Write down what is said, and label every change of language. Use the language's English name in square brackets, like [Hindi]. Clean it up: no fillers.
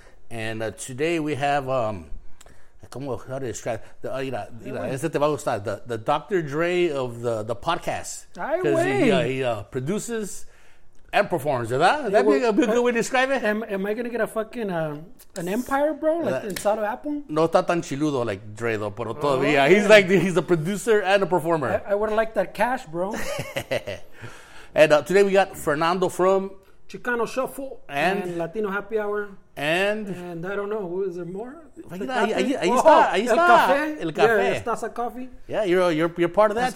[English] And today we have, how do you describe it? The Dr. Dre of the podcast. Because he produces and performs, right? That'd be a good way to describe it. Am I going to get a fucking an empire, bro? Like inside of Apple? [Spanish] No está tan chiludo [English] like Dre, though, [Spanish] pero todavía. [English] Oh, he's like, he's a producer and a performer. I would have liked that cash, bro. And today we got Fernando from Chicano Shuffle and Latino Happy Hour. And I don't know, who is there more? El Café. Yeah, you're part of that.